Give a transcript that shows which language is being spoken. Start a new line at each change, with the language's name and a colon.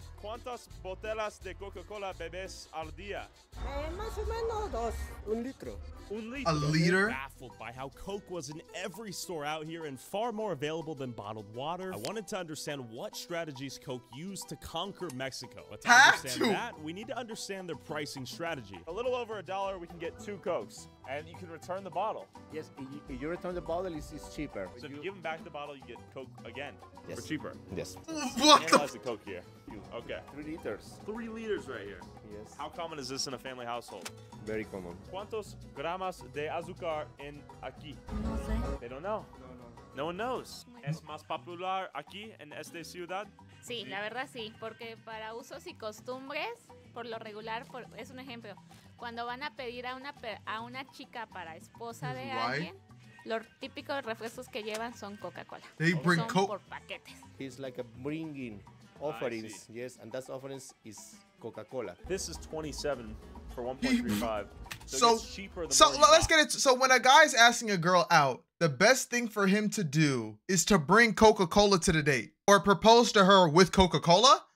Spanish: ¿Cuántas botellas de Coca-Cola bebes al día? Más o menos dos. Un litro. Un litro.
English: A liter? I'm baffled by how Coke was in every store out here and far more available than bottled water. I wanted to understand what strategies Coke used to conquer Mexico. But to understand that, we need to understand their pricing strategy. A little over a dollar, we can get two Cokes. And you can return the bottle. Yes, if you return the bottle, it's cheaper. So if you give them back the bottle, you get Coke again. Yes. For cheaper. Yes. What the? The Coke here. Okay. 3 liters. 3 liters right here. Yes. How common is this in a family household? Very common.
Spanish: ¿Cuántos gramos de azúcar en aquí?
English: They don't know. No one knows.
Spanish: ¿Es más popular aquí en esta ciudad? Sí, la verdad sí. Porque para usos y costumbres, por lo regular, es un ejemplo. Cuando van a pedir a una chica para esposa de alguien, los típicos refrescos que llevan son Coca-Cola.
English: They bring Coke
Spanish: por paquetes.
English: It's like a bringing offerings, yes, and that offerings is Coca-Cola. This is 27 for 1.35. So it's cheaper than let's get it. So when a guy is asking a girl out, the best thing for him to do is to bring Coca-Cola to the date or propose to her with Coca-Cola.